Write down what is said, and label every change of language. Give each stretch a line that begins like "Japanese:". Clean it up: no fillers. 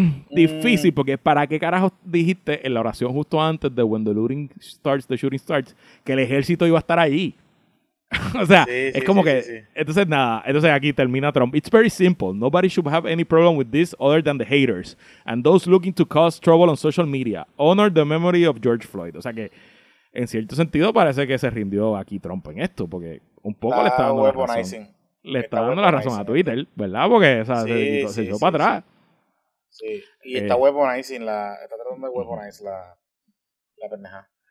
Spanish: Difícil, porque ¿para qué carajo dijiste en la oración justo antes de
English: when the looting starts, the shooting starts,
Spanish: que el ejército iba a estar allí? O sea, entonces nada, entonces aquí termina Trump.
English: It's very simple. Nobody should have any problem with this other than the haters and those looking to cause trouble on social media. Honor the memory of George Floyd.
Spanish: O sea que, en cierto sentido, parece que se rindió aquí Trump en esto, porque un poco le está dando la razón. Le está dando la razón a Twitter, ¿verdad? Porque se echó para atrás. Sí, y está weaponizing está tratando de weaponizing la pendeja.